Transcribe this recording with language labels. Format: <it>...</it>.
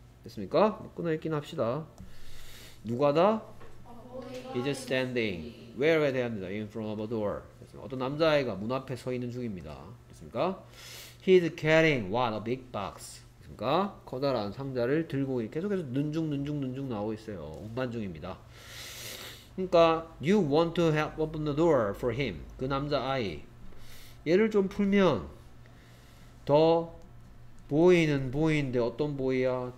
<ko>됐습니까? 끊어 읽긴 합시다. 누가다?</ko> <en>Is standing. Where에</en> <ko>대합니다.</ko> <en>In front of a door.</en> <ko>됐습니까? 어떤 남자아이가 문 앞에 서 있는 중입니다. 됐습니까?</ko> <en>He's carrying one a big box. 됐습니까?</en> <ko>커다란 상자를 들고 계속해서 눈중 나오고 있어요. 운반 중입니다. 그러니까</ko> <en>You want to help open the door for him.</en> <ko>그 남자아이. 얘를 좀 풀면 더 보이는 보이인데 어떤 보이야?</ko>